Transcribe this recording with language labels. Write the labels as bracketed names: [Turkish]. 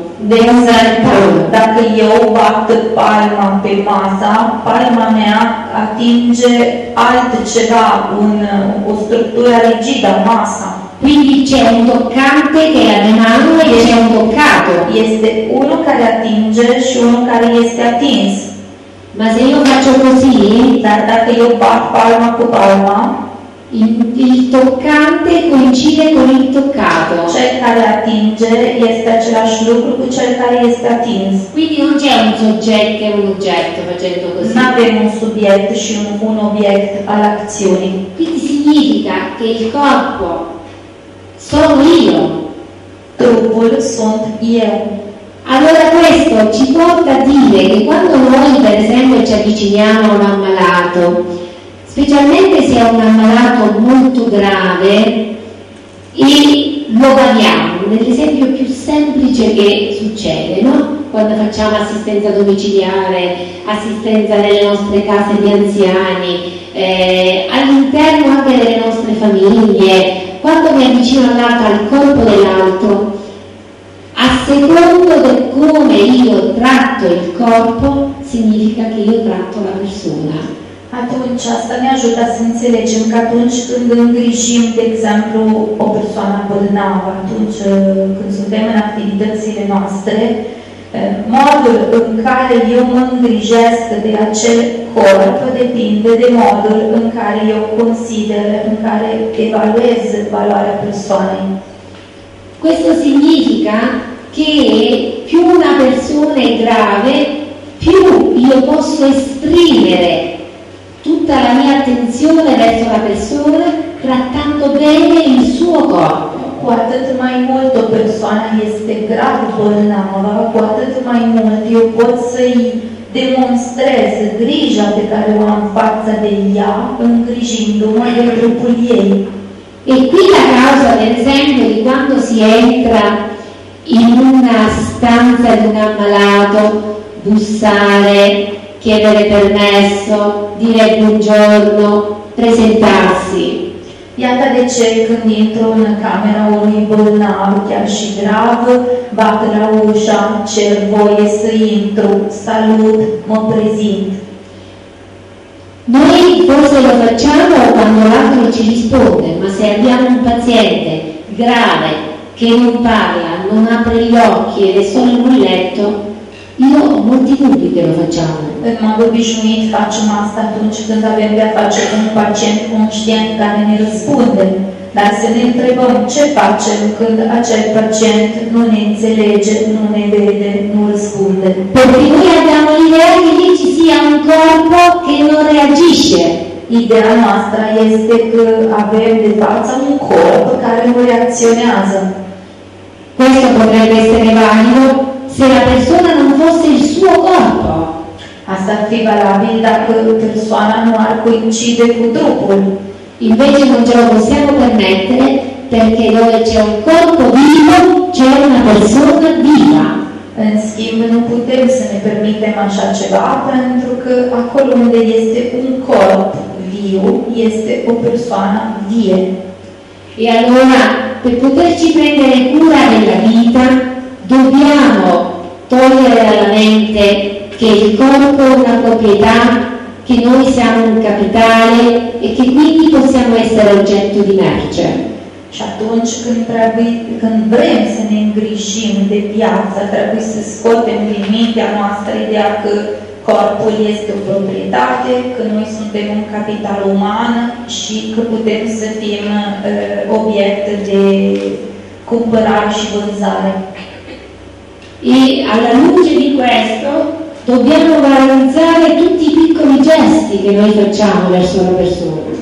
[Romanian] De esempio, dacă eu bat palma pe masă, palma mea atinge altceva, o structură rigidă, masa. [Italian] Quindi c'è un toccante che è la mano e c'è un toccato. [Romanian] Este uno care atinge și unul care este atins. [Italian] Ma se io faccio così, [Romanian] dar dacă eu bat palma cu palma, [Italian] il toccante coincide con il toccato. [Romanian] Cel care atinge este același lucru cu cel care este atins. [Italian] Quindi non c'è un soggetto e un oggetto facendo così. Non abbiamo un soggetto e un oggetto all'azione. Quindi significa che il corpo sono io. [Romanian] Trupul sunt eu. [Italian] Allora questo ci porta a dire che quando noi, per esempio, ci avviciniamo a un ammalato, specialmente se è un ammalato molto grave, e lo vediamo, nell'esempio più semplice che succede, no? Quando facciamo assistenza domiciliare, assistenza nelle nostre case di anziani, all'interno anche delle nostre famiglie, quando mi avvicino all'altro, al corpo dell'altro, a secondo di come io tratto il corpo, significa che io tratto la persona. [Romanian] Atunci, asta ne ajută să înțelegem că atunci când îngrijim, de exemplu, o persoană bolnavă, atunci când suntem în activitățile noastre, modul în care eu mă îngrijesc de acel corp depinde de modul în care eu consider, în care evaluez valoarea persoanei. [Italian] Questo significa che più una persona è grave, più io posso esprimere tutta la mia attenzione verso la persona trattando bene il suo corpo. [Romanian] Cu atât mai mult o persoană este grav bolnavă, cu atât mai mult eu pot să-i demonstrez grija pe care o am față de ea, îngrijindu-mă de trupul ei. [Italian] E qui la causa, per esempio, di quando si entra in una stanza di un ammalato, bussare, chiedere permesso, dire buongiorno, presentarsi. [Romanian] Iată de ce când intro în camera unui bolnav, chiar și grav, bat la ușa, cer voie să intru, salut, mă prezint. [Italian] Noi forse lo facciamo quando l'altro ci risponde, ma se abbiamo un paziente grave che non parla, non apre gli occhi ed è solo in un letto, io ho molti dubbi che lo facciamo. [Romanian] În mod obișnuit facem asta atunci când avem de-a face cu un pacient conștient care ne răspunde. Dar să ne întrebăm ce facem când acel pacient nu ne înțelege, nu ne vede, nu răspunde. Pentru că [Italian] noi abbiamo l'idea che lì ci sia un corpo che non reagisce. [Romanian] Ideea noastră este că avem de față un corp care nu reacționează. [Italian] Questo potrebbe essere valido se la persona non fosse il suo corpo. [Romanian] Asta ar fi valabil dacă persoana nu ar coincide cu trupul. [Italian] Invece non ce lo possiamo permettere perché dove c'è un corpo vivo c'è una persona viva. [Romanian] În schimb, nu putem să ne permitem așa ceva pentru că acolo unde este un corp viu, este o persoană vie. [Italian] E allora, per poterci prendere cura della vita, dobbiamo togliere dalla mente che il corpo è una proprietà, che noi siamo un capitale e che quindi possiamo essere oggetto di merce. [Romanian] Și atunci când vrem să ne îngrijim de viață, trebuie să scotem din mintea noastră ideea că corpul este o proprietate, că noi suntem un capital uman și că putem să fim obiect de cumpărare și vânzare. [Italian] E alla luce di questo dobbiamo valorizzare tutti i piccoli gesti che noi facciamo verso la persona.